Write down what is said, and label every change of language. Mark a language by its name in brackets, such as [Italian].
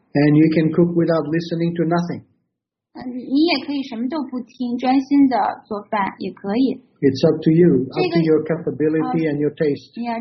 [English] And you can cook without listening to nothing. [Chinese] 你也可以什么都不听，专心的做饭也可以。 [English] It's up to you, up to your capability and your taste.